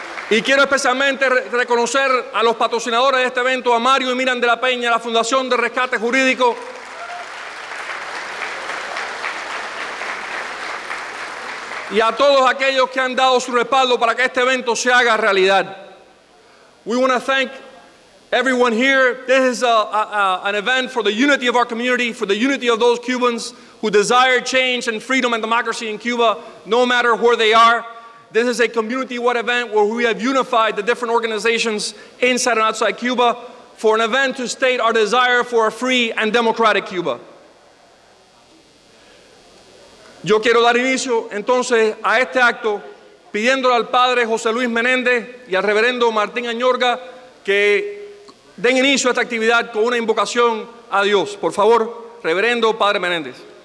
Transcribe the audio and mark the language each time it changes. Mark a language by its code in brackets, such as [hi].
[es] Y quiero especialmente reconocer a los patrocinadores de este evento, a Mario y Miran de la Peña, a la Fundación de Rescate Jurídico. Y a todos aquellos que han dado su respaldo para que este evento se haga realidad. [en] We want to thank everyone here. This is an event for the unity of our community, for the unity of those Cubans who desire change and freedom and democracy in Cuba, no matter where they are. This is a community-wide event where we have unified the different organizations inside and outside Cuba for an event to state our desire for a free and democratic Cuba. [es] Yo quiero dar inicio entonces a este acto pidiéndole al padre José Luis Menéndez y al reverendo Martín Añorga que den inicio a esta actividad con una invocación a Dios. Por favor, reverendo padre Menéndez.